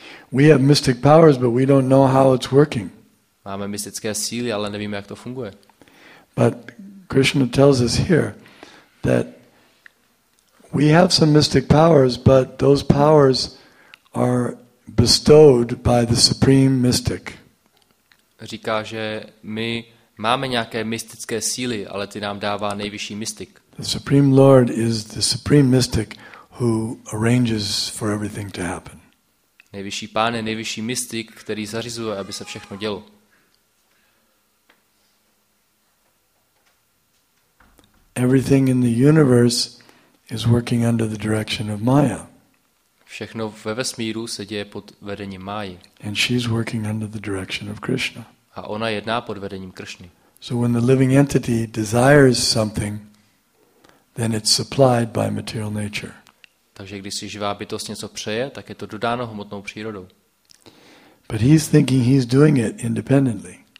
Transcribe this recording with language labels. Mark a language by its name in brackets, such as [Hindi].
[English] We have mystic powers, but we don't know how it's working. [Czech] Máme mystické síly, ale nevíme, jak to funguje. [English] But Krishna tells us here that we have some mystic powers, but those powers are bestowed by the supreme mystic. [Czech] Říká, že my máme nějaké mystické síly, ale ty nám dává nejvyšší mystik. [English] The supreme lord is the supreme mystic who arranges for everything to happen. [Czech] Nejvyšší pán je nejvyšší mystik, který zařizuje, aby se všechno dělo. [English] Everything in the universe is working under the direction of Maya. [Czech] Všechno ve vesmíru se děje pod vedením Máji. [English] And she's working under the direction of Krishna. [Czech] A ona jedná pod vedením Krishny. [English] So when the living entity desires something, then it's supplied by material nature. [Czech] Takže když si živá bytost něco přeje, tak je to dodáno hmotnou přírodou. [English] But he's thinking he's doing it independently.